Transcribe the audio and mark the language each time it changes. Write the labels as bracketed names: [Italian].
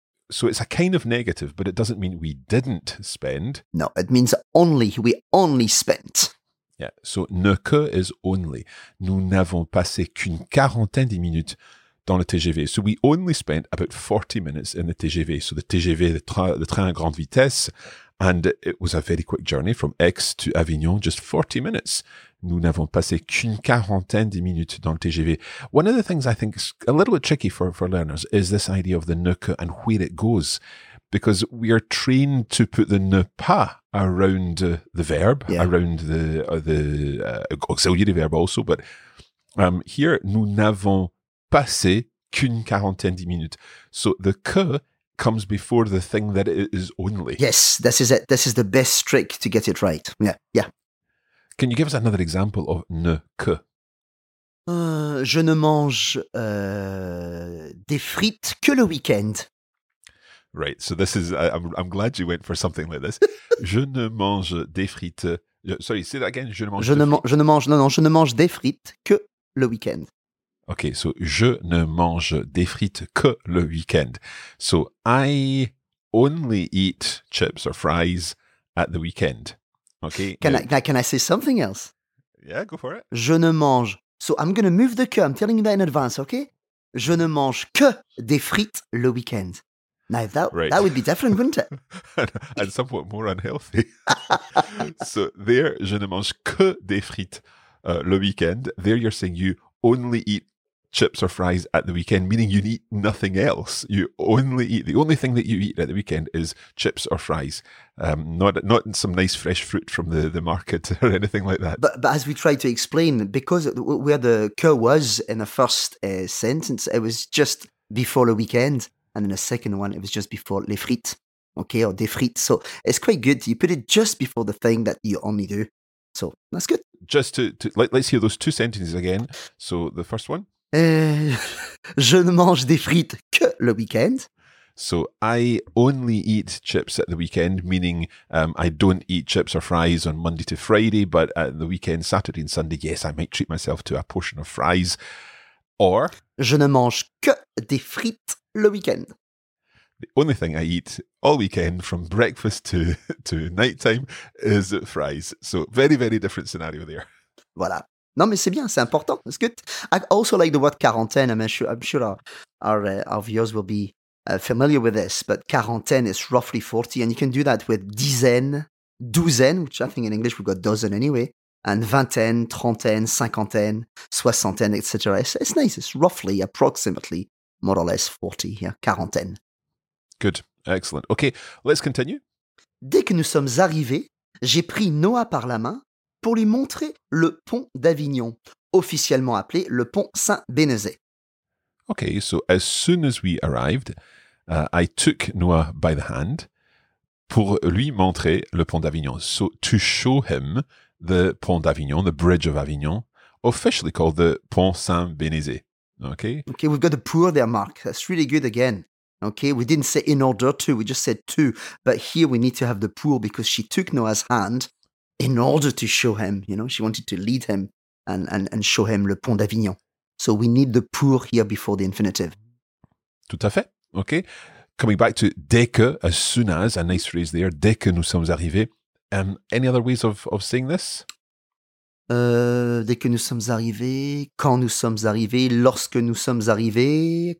[English] So it's a kind of negative, but it doesn't mean we didn't spend. No, it means only, we only spent. Yeah, so ne que is only. [French] Nous n'avons passé qu'une quarantaine de minutes dans le TGV. [English] So we only spent about 40 minutes in the TGV. So the TGV, the [French] train à grande vitesse. [English] And it was a very quick journey from Aix to Avignon, just 40 minutes. [French] Nous n'avons passé qu'une quarantaine de minutes dans le TGV. [English] One of the things I think is a little bit tricky for learners is this idea of the ne que and where it goes. Because we are trained to put the ne pas around the verb, yeah. Around the auxiliary verb also. But here, [French] nous n'avons passé qu'une quarantaine de minutes. [English] So the que comes before the thing that it is only. Yes, this is it. This is the best trick to get it right. Yeah. Can you give us another example of ne que? [French] Je ne mange des frites que le week-end. [English] Right, so this is, I'm glad you went for something like this. [French] Je ne mange des frites, [English] sorry, say that again, [French] je ne mange des frites que le week-end. [English] Okay, so [French] je ne mange des frites que le week-end. [English] So I only eat chips or fries at the weekend. Okay. Can I say something else? Yeah, go for it. [French] Je ne mange. [English] So I'm going to move the que. I'm telling you that in advance, okay? [French] Je ne mange que des frites le week-end. [English] Now that would be different, wouldn't it? And somewhat more unhealthy. So there, [French] je ne mange que des frites le week-end. [English] There you're saying you only eat chips or fries at the weekend, meaning you eat nothing else. You only eat, the only thing that you eat at the weekend is chips or fries. Not some nice fresh fruit from the market or anything like that. But as we tried to explain, because where the que was in the first sentence, it was just before the weekend. And in the second one, it was just before les frites, okay, or des frites. So it's quite good. You put it just before the thing that you only do. So that's good. Just let's hear those two sentences again. So the first one. [French] Je ne mange des frites que le week-end. [English] So I only eat chips at the weekend, meaning I don't eat chips or fries on Monday to Friday, but at the weekend, Saturday and Sunday, yes, I might treat myself to a portion of fries. Or [French] je ne mange que des frites le week-end. [English] The only thing I eat all weekend from breakfast to nighttime is fries. So very, very different scenario there. [French] Voilà. Non, mais c'est bien, c'est important, [English] it's good. I also like the word quarantaine. I mean, I'm sure our viewers will be familiar with this, but quarantaine is roughly 40, and you can do that with dizaine, douzaine, which I think in English we've got dozen anyway, and vingtaine, trentaine, cinquantaine, soixantaine, etc. It's nice, it's roughly, approximately, more or less 40, yeah, quarantaine. Good, excellent. Okay, let's continue. [French] Dès que nous sommes arrivés, j'ai pris Noah par la main pour lui montrer le pont d'Avignon, officiellement appelé le pont Saint-Bénézé. [English] Okay, so as soon as we arrived, I took Noah by the hand [French] pour lui montrer le pont d'Avignon. [English] So to show him the pont d'Avignon, the bridge of Avignon, officially called the pont Saint-Bénézé. Okay? Okay, we've got the pour there, Mark. That's really good again. Okay, we didn't say in order to, we just said to. But here we need to have the pour because she took Noah's hand in order to show him, you know, she wanted to lead him and show him le pont d'Avignon. So we need the pour here before the infinitive. [French] Tout à fait. [English] Okay. Coming back to dès que, as soon as, a nice phrase there, [French] dès que nous sommes arrivés. [English] Any other ways of saying this? [French] Dès que nous sommes arrivés, quand nous sommes arrivés, lorsque nous sommes arrivés.